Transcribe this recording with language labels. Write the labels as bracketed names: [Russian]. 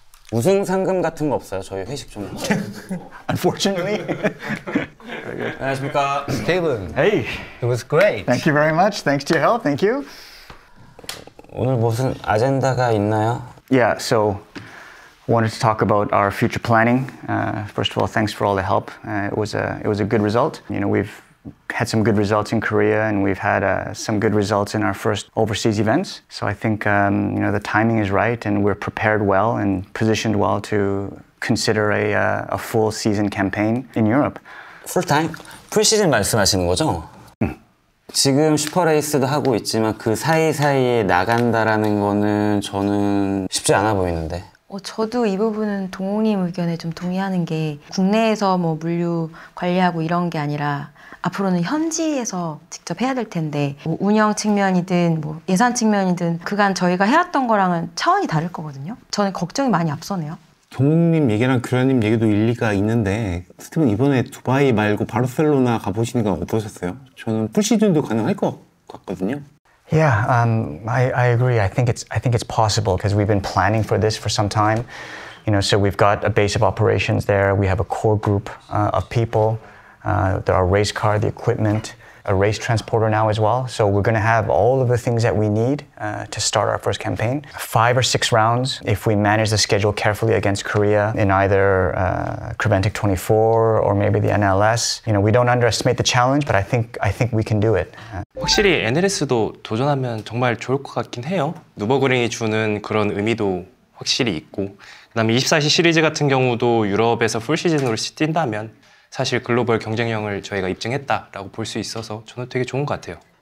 [Korean] 우승 상금 같은 거 없어요? 저희 회식 좀. [English] Unfortunately. [Korean] 안녕하십니까, [English] Steven. Hey. It was great. Thank you very much. Thanks to your help. Thank you. [Korean] 오늘 무슨 아젠다가 있나요? [English] Yeah, so wanted to talk about our future planning. First of all, thanks for all the help. It was a good result. You know, we've had some good results in Korea, and we've had some good results in our first overseas events. So I think you know, the timing is right, and we're prepared well and positioned well to consider a full season campaign in Europe. Full time? Pre-season [Korean] 말씀하시는 거죠? 지금 슈퍼레이스도 하고 있지만 그 사이사이에 나간다라는 거는 저는 쉽지 않아 보이는데 저도 이 부분은 동호님 의견에 좀 동의하는 게 국내에서 뭐 물류 관리하고 이런 게 아니라 앞으로는 현지에서 직접 해야 될 텐데 뭐 운영 측면이든 뭐 예산 측면이든 그간 저희가 해왔던 거랑은 차원이 다를 거거든요 저는 걱정이 많이 앞서네요 동욱님 얘기랑 규현님 얘기도 일리가 있는데 스티븐 이번에 두바이 말고 바르셀로나 가보시는 건 어떠셨어요? 저는 풀시즌도 가능할 것 같거든요. [English] Yeah, I agree. I think it's possible because we've been planning for this for some time. You know, so we've got a base of operations there. We have a core group of people. There are race car, the equipment, a race transporter now as well. So we're going to have all of the things that we need to start our first campaign. 5 or 6 rounds, if we manage the schedule carefully against Korea in either Creventic 24 or maybe the NLS. You know, we don't underestimate the challenge, but I think we can do it. [Korean] 확실히 NLS도 도전하면 정말 좋을 것 같긴 해요. 누버그링이 주는 그런 의미도 확실히 있고, 그다음에 24시 시리즈 같은 경우도 유럽에서 풀 시즌으로 뛴다면 사실 글로벌 경쟁력을 저희가 입증했다라고 볼 수 있어서 저는 되게 좋은 것 같아요.